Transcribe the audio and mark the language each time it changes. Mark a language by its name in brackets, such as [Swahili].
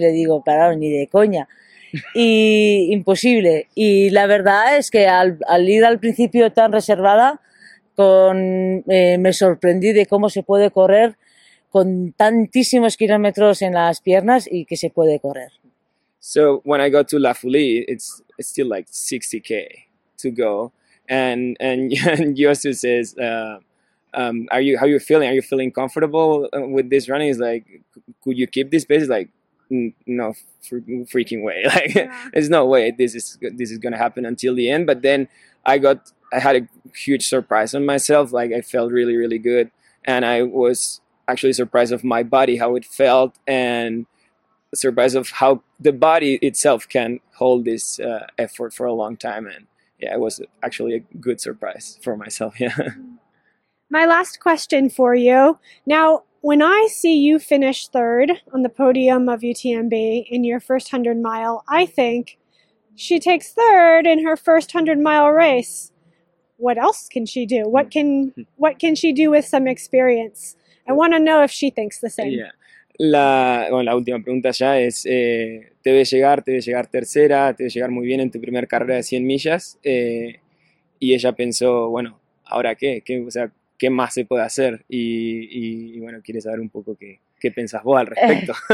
[Spanish] Le digo, claro, ni de coña. Y imposible. Y la verdad es que al ir al principio tan reservada, me sorprendí de cómo se puede correr con tantísimos kilómetros en las piernas y que se puede correr. [English] So when I go to La Folie, it's still like 60K to go. And Yosu says, how are you feeling? Are you feeling comfortable with this running? He's like, could you keep this pace? He's like, no freaking way. Like, yeah. There's no way this is going to happen until the end. But then I had a huge surprise on myself. Like, I felt really, really good. And I was actually surprised of my body, how it felt, and surprised of how the body itself can hold this effort for a long time. And yeah, it was actually a good surprise for myself. Yeah. My last question for you. Now, when I see you finish third on the podium of UTMB in your first 100 mile, I think she takes third in her first 100 mile race. What else can she do? What can she do with some experience? I want to know if she thinks the same. Yeah. [Spanish] La última pregunta ya es, te ves llegar tercera, te ves llegar muy bien en tu primer carrera de 100 millas. Y ella pensó, bueno, ¿ahora qué? ¿Qué más se puede hacer? Y bueno, quiere saber un poco qué pensás vos al respecto.